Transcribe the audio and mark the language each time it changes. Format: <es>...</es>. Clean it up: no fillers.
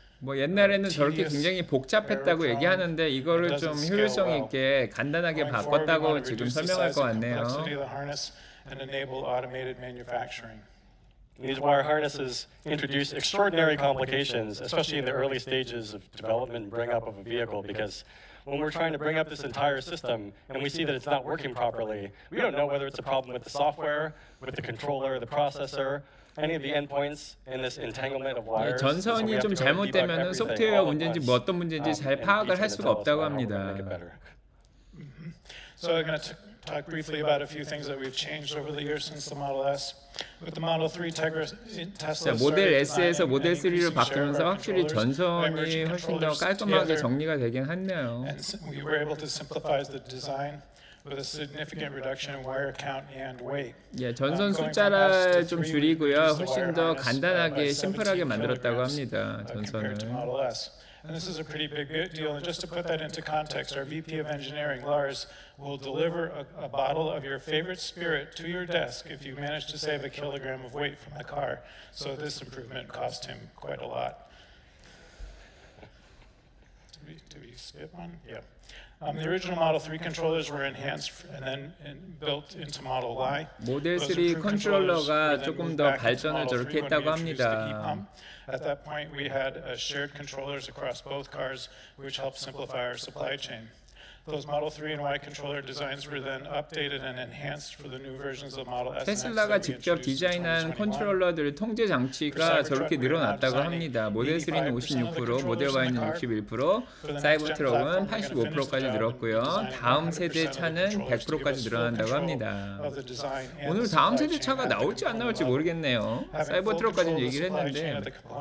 <ko>뭐 옛날에는 저렇게 굉장히 복잡했다고 얘기하는데 이거를 좀 효율성 있게 간단하게 바꿨다고 지금 설명할 것 같네요.</ko> <en>These wire harnesses introduce extraordinary complications, especially in the early stages of development and bring up of a vehicle, because when we're trying to bring up this entire system and we see that it's not working properly, we don't know whether it's a problem with the software, with the controller, the processor. Any of the endpoints in this entanglement of wires.</en> <ko>전선이 좀 잘못되면 소프트웨어 문제인지 뭐 어떤 문제인지 잘 파악을 할 수가 없다고 합니다.</ko> <en>So I'm going to talk briefly about a few things that we've changed over the years since the Model S. With the Model 3 Tesla.</en> <ko>모델 S에서 모델 3로 바꾸면서 확실히 전선이 훨씬 더 깔끔하게 정리가 되긴 했네요.</ko> <en>We were able to simplify the design. With a significant reduction in wire count and weight.</en> <ko>예, 전선 숫자를 좀 줄이고요. 훨씬 더 간단하게 심플하게 만들었다고 합니다. 전선을.</ko> <en>And this is a pretty big deal. And just to put that into context, our VP of Engineering, Lars, will deliver a bottle of your favorite spirit to your desk if you manage to save a kilogram of weight from the car. So this improvement cost him quite a lot. Did we skip one? Yeah. The original Model 3 controllers were enhanced and then built into Model Y.</en> <ko>모델 3 컨트롤러가 조금 더 발전을 저렇게 했다고 합니다.</ko> <en>At that point, we had shared controllers across both cars, which helped simplify our supply chain. Those Model 3 and Y controller designs were then updated and enhanced for the new versions of Model S.</en> <ko>테슬라가 직접 디자인한 컨트롤러들의 통제 장치가 저렇게 늘어났다고 합니다. 모델 3는 56%, 모델 Y는 61%, 사이버트럭은 85%까지 늘었고요. 다음 세대 차는 100%까지 늘어난다고 합니다. 오늘 다음 세대 차가 나올지 안 나올지 모르겠네요. 사이버트럭까지 얘기를 했는데.</ko>